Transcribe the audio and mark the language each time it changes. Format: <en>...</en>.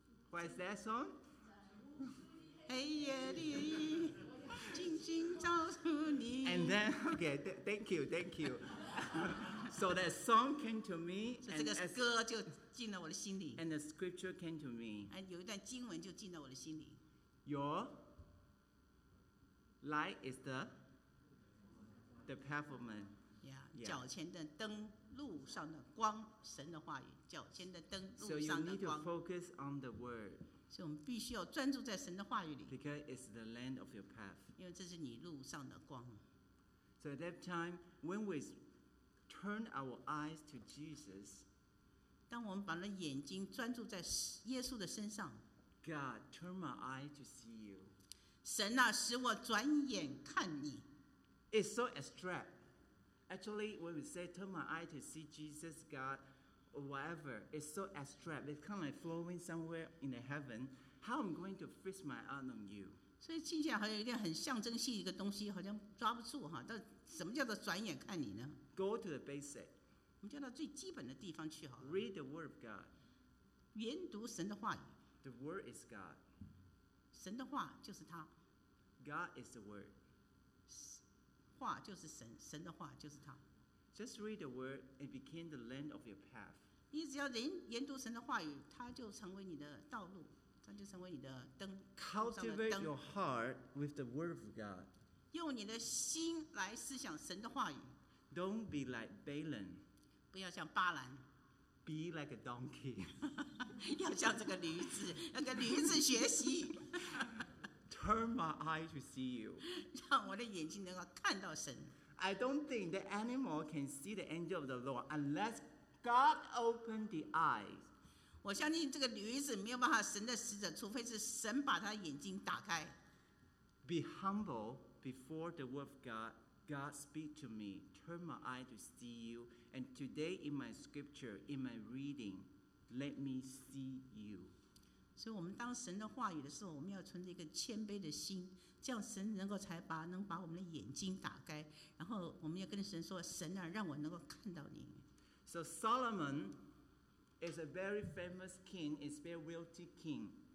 <en>What is that song?</en> <zh>黑夜里。静静照出你。</zh> <en>And then, okay, thank you, thank you. So that song came to me, and the scripture came to me.</en> <zh>有一段经文就进到我的心里。</zh> <en>Your light is the pavement.</en> <zh>Yeah, 脚前的灯，路上的光，神的话语，脚前的灯，路上的光。</zh> <en>So you need to focus on the word.</en> <zh>所以我们必须要专注在神的话语里。</zh> <en>Because it's the land of your path.</en> <zh>因为这是你路上的光。</zh> <en>So at that time, when we turn our eyes to Jesus.</en> <zh>当我们把那眼睛专注在耶稣的身上。</zh> <en>God, turn my eye to see you.</en> <zh>神啊，使我转眼看你。</zh> <en>It's so abstract. Actually, when we say turn my eye to see Jesus, God, or whatever, it's so abstract. It's kind of like flowing somewhere in the heaven. How I'm going to fix my eye on you?</en> <zh>所以听起来好像有点很象征性一个东西，好像抓不住哈。但什么叫做转眼看你呢？</zh> <en>Go to the basic.</en> <zh>我们就到最基本的地方去好了。</zh> <en>Read the word of God.</en> <zh>研读神的话语。</zh> <en>The word is God.</en> <zh>神的话就是他。</zh> <en>God is the word.</en> <zh>话就是神，神的话就是他。</zh> <en>Just read the word and begin the land of your path.</en> <zh>你只要研读神的话语，它就成为你的道路，它就成为你的灯。</zh> <en>Cultivate your heart with the word of God.</en> <zh>用你的心来思想神的话语。</zh> <en>Don't be like Balaam.</en> <zh>不要像巴兰。</zh> <en>Be like a donkey.</en> <zh>要像这个驴子，要跟驴子学习。</zh> <en>Turn my eye to see you.</en> <zh>让我的眼睛能够看到神。</zh> <en>I don't think the animal can see the angel of the Lord unless God opened the eyes.</en> <zh>我相信这个驴子没有办法神的使者，除非是神把他眼睛打开。</zh> <en>Be humble before the word of God. God speak to me, turn my eye to see you, and today in my scripture, in my reading, let me see you.</en> <zh>所以我们当神的话语的时候，我们要存着一个谦卑的心，这样神能够才把能把我们的眼睛打开，然后我们要跟神说，神啊，让我能够看到你。</zh> <en>So Solomon is a very famous king, is a very wealthy king.</en>